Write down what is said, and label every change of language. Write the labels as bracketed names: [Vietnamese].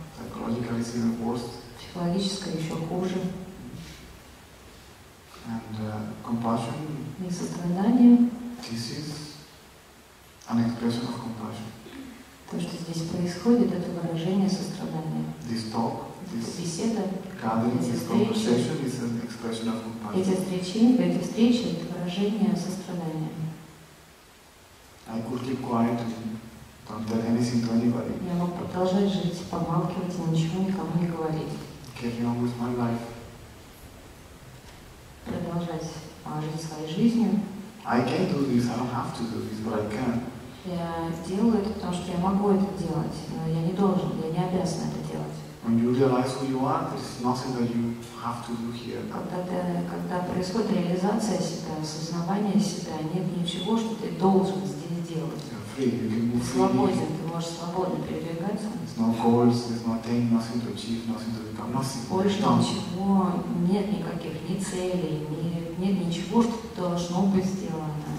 [English] Psychological is even worse. [Russian] Психологическое еще хуже. [English] And compassion? [Russian] И сострадание? [English] This is an expression of compassion. [Russian] То, что здесь происходит, это выражение сострадания. [English] This talk, this [Russian] беседа, [English] gathering, this conversation is an expression of compassion. [Russian] Эти встречи — это выражение сострадания. [English] I could keep quiet and don't tell anything to anybody. [Russian] Я мог продолжать жить, помалкивать и ничего никому не говорить. [English] Carry on with my life. [Russian] Продолжать жить своей жизнью. [English] I can do this, I don't have to do this, but I can. [Russian] Я делаю это, потому что я могу это делать, но я не должен, я не обязан это делать. [English] When you realize who you are, there's nothing that you have to do here. [Russian] Когда происходит реализация себя, осознавание себя, нет ничего, что ты должен здесь делать. [English] You're free. You can move freely. [Russian] Свободен, ты можешь свободно передвигаться. [English] There's no goals, there's no thing, nothing to achieve, nothing to become, nothing. [Russian] Больше ничего, нет никаких ни целей, нет ничего, что должно быть сделано.